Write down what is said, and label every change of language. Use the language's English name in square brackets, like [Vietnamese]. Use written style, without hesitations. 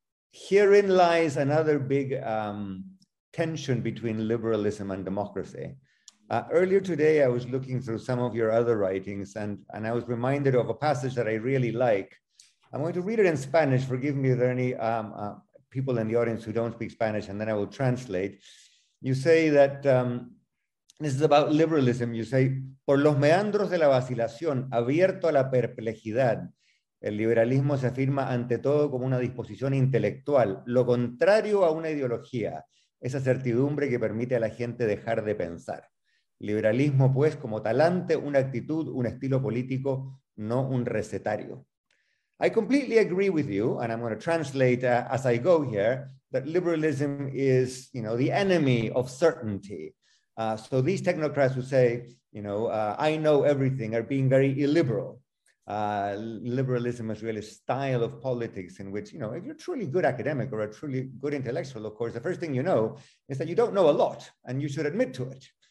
[English] Herein lies another big tension between liberalism and democracy. Earlier today, I was looking through some of your other writings, and I was reminded of a passage that I really like. I'm going to read it in Spanish. Forgive me if there are any people in the audience who don't speak Spanish, and then I will translate. You say that, this is about liberalism, you say, [Spanish] por los meandros de la vacilación, abierto a la perplejidad, el liberalismo se afirma ante todo como una disposición intelectual, lo contrario a una ideología, esa certidumbre que permite a la gente dejar de pensar. Liberalismo, pues, como talante, una actitud, un estilo político, no un recetario. [English] I completely agree with you, and I'm going to translate as I go here, that liberalism is, you know, the enemy of certainty. So these technocrats who say, you know, I know everything, are being very illiberal. Liberalism is really a style of politics in which, you know, if you're a truly good academic or a truly good intellectual, of course, the first thing you know is that you don't know a lot, and you should admit to it.